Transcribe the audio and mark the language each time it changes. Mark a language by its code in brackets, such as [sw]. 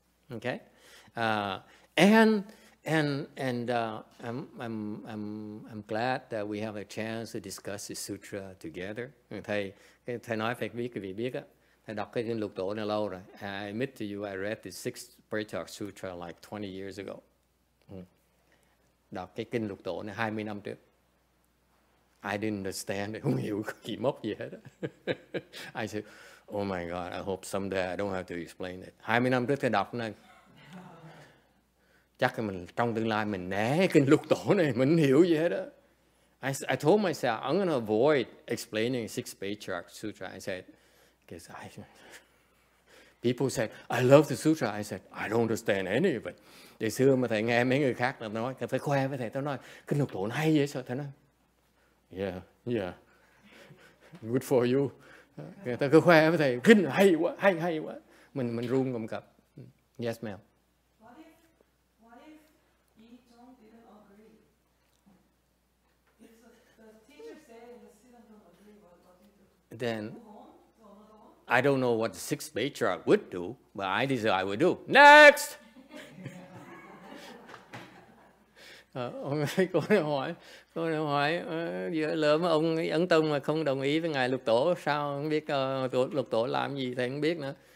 [en] Okay, I'm glad that we have a chance to discuss this sutra together. [vi] Thầy nói phải biết, quý vị biết á, thầy đọc cái kinh lục tổ này lâu rồi. [en] I admit to you, I read the 6th Patriarch Sutra like 20 years ago. [vi] Đọc cái kinh lục tổ này 20 năm trước. [en] I didn't understand, [vi] không hiểu kỳ mốc gì hết. [en] I said, oh my God, I hope someday I don't have to explain it. [vi] 20 năm trước thầy đọc này, chắc là mình trong tương lai mình né kinh lục tổ này, mình hiểu gì hết á. [en] I told myself, I'm going to avoid explaining 6th Patriarch Sutra. I said, people said, I love the sutra. I said, I don't understand any of it. [vi] Để xưa mà thầy nghe mấy người khác là nói, thầy phải khoe với thầy, tao nói, cái lục tổ hay vậy sao? Thầy nói, [en] yeah, good for you. [vi] Người ta cứ khoe với thầy, kinh hay quá. Mình run cầm cập. [en] Yes, ma'am. Then I don't know what the 6th Patriarch would do, but I deserve I would do. Next! [vi] Ông ấy cô này hỏi giữa lỡ mà ông Ấn Tông mà không đồng ý với ngài lục tổ sao, không biết lục tổ làm gì thầy không biết nữa.